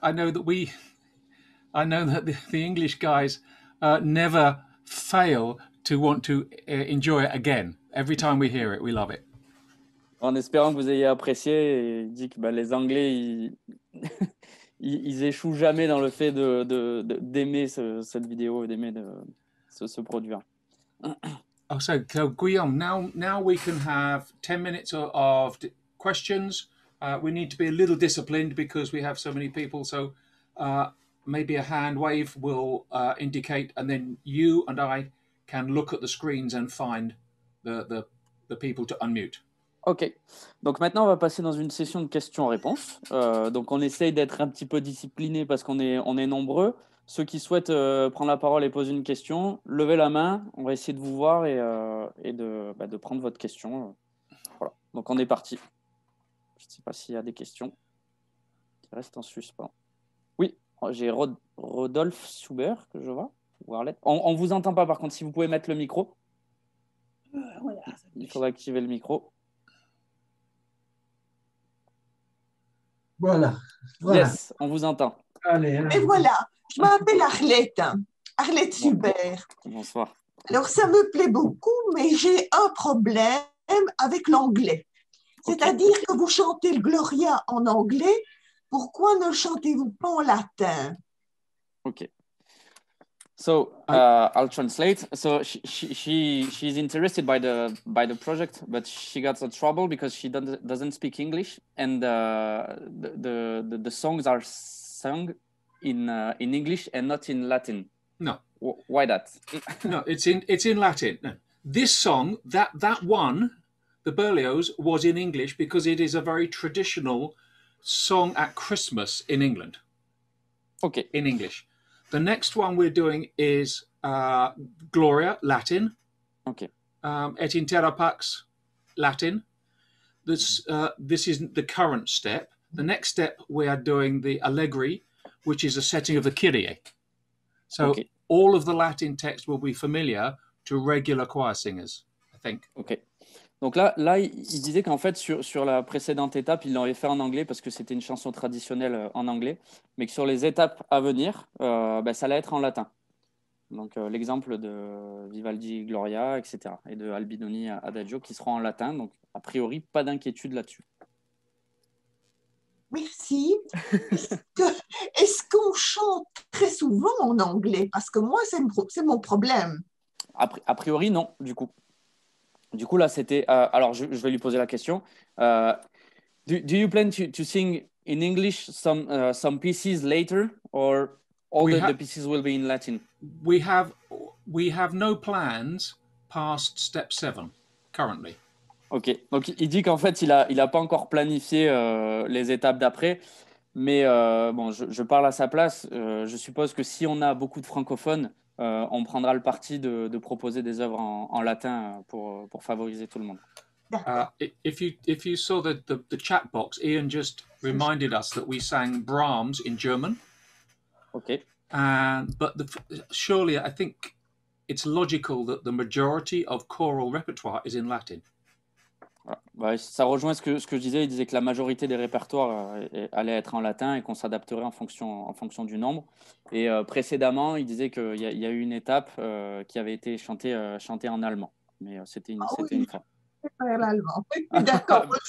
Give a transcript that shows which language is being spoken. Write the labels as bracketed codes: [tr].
[en] I know that the English guys never fail to want to enjoy it again. Every time we hear it, we love it. [fr] En espérant que vous ayez apprécié, il dit que ben, les Anglais, ils échouent jamais dans le fait d'aimer cette vidéo et d'aimer se produire. [en] So, Guillaume, now we can have 10 minutes of questions. We need to be a little disciplined because we have so many people. So maybe a hand wave will indicate, and then you and I can look at the screens and find the people to unmute. OK. [fr] Donc maintenant, on va passer dans une session de questions-réponses. Donc on essaye d'être un petit peu discipliné parce qu'on est nombreux. Ceux qui souhaitent prendre la parole et poser une question, levez la main, on va essayer de vous voir et de prendre votre question. Voilà, donc on est parti. Je ne sais pas s'il y a des questions. Il reste en suspens. Oui, j'ai Rodolphe Souber que je vois. Warlet. On ne vous entend pas par contre, si vous pouvez mettre le micro. Il faut activer le micro. Voilà. Yes, on vous entend. Allez. Et voilà. Je m'appelle Arlette. Arlette Hubert. Bonsoir. Alors, ça me plaît beaucoup, mais j'ai un problème avec l'anglais. C'est-à-dire que vous chantez le Gloria en anglais. Pourquoi ne chantez-vous pas en latin? [en] OK. So, I'll translate. So, she's interested by the project, but she got a trouble because she doesn't speak English, and the songs are sung in English and not in Latin. No. Why that? No, it's in Latin. This song, that one, the Berlioz, was in English because it is a very traditional song at Christmas in England. Okay. In English. The next one we're doing is Gloria, Latin. Okay. [la] Et in terra pax, [en] Latin. This is the current step. The next step, we are doing the Allegri, which is a setting of the Kyrie. So all of the Latin text will be familiar to regular choir singers, I think. Okay. [fr] Donc là il disait qu'en fait, sur la précédente étape, il l'aurait fait en anglais parce que c'était une chanson traditionnelle en anglais, mais que sur les étapes à venir, ça allait être en latin. Donc l'exemple de Vivaldi Gloria, etc., et de Albinoni Adagio qui seront en latin. Donc a priori, pas d'inquiétude là-dessus. Merci. Est-ce qu'on chante très souvent en anglais? Parce que moi, c'est mon problème. A priori, non, du coup. Du coup, là, c'était... alors, je vais lui poser la question. [en] Do you plan to sing in English some pieces later, or all the pieces will be in Latin? We have no plans past step 7, currently. OK. [fr] Donc, il dit qu'en fait, il a pas encore planifié les étapes d'après. Mais bon, je parle à sa place. Je suppose que si on a beaucoup de francophones, on prendra le parti de proposer des œuvres en latin pour favoriser tout le monde. [en] If you saw the chat box, Ian just reminded us that we sang Brahms in German. Okay. But surely I think it's logical that the majority of choral repertoire is in Latin. [fr] Voilà. Bah, ça rejoint ce que je disais. Il disait que la majorité des répertoires allaient être en latin et qu'on s'adapterait en fonction du nombre. Et précédemment, il disait qu'il y a eu une étape qui avait été chantée en allemand. Mais c'était une fois. L'allemand. D'accord.